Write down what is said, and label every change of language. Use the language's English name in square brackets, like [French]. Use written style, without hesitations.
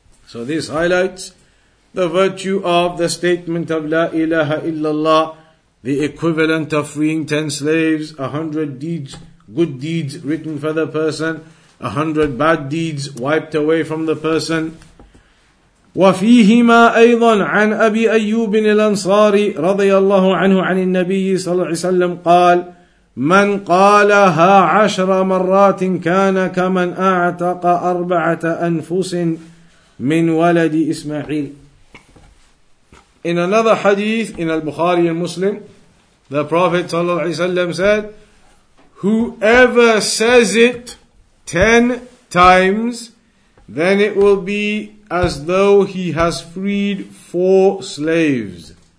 [English] So this highlights the virtue of the statement of La ilaha illallah, the equivalent of freeing 10 slaves, 100 deeds, good deeds written for the person, 100 bad deeds wiped away from the person. [Arabic] وفيهما أيضا عن أبي أيوب الأنصاري رضي الله عنه عن النبي صلى الله عليه وسلم قال من قالها 10 مرات كان كمن أعتق 4 أنفس من ولد إسماعيل. [English] In another hadith in al-Bukhari and Muslim, the Prophet [Arabic] صلى الله عليه وسلم [English] said, whoever says it 10 times, then it will be as though he has freed 4 slaves.